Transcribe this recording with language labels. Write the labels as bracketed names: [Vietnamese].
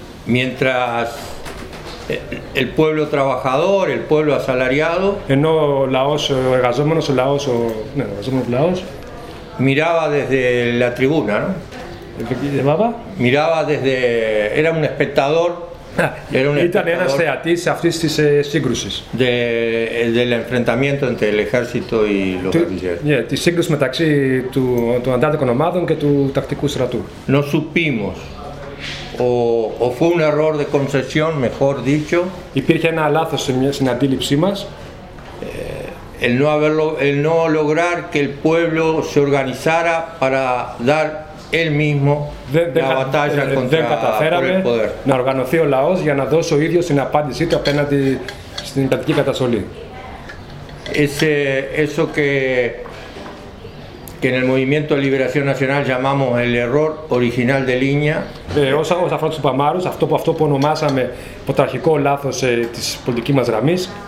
[Spanish] Mientras el pueblo trabajador, el pueblo asalariado, [Greek] ενώ ο λαός, ο εργαζόμενος, ο λαός, ναι, ο εργαζόμενος λαός, [Spanish] miraba desde la tribuna, ¿no? Miraba desde, era un espectador, [Greek] ήταν ένας θεατής αυτής της σύγκρουσης. [Spanish] Del enfrentamiento entre el ejército y los guerrilleros. [Greek] Τη σύγκρουση μεταξύ των αντάρτικων ομάδων και του τακτικού στρατού. [Spanish] No supimos. O fue un error de concepción, mejor dicho. [Greek] Υπήρχε ένα λάθος στην αντίληψή μας. [Spanish] El no lograr que el pueblo se organizara para dar él mismo la batalla contra el poder. [Greek] Να οργανωθεί ο λαός για να δώσει ο ίδιος την απάντησή του απέναντι στην κρατική καταστολή. [Spanish] Eso que en el Movimiento de Liberación Nacional llamamos el error original de línea. [Greek] Όσον αφορά τους Παμάρους, αυτό που ονομάσαμε πρωταρχικό λάθος της πολιτικής μας γραμμής.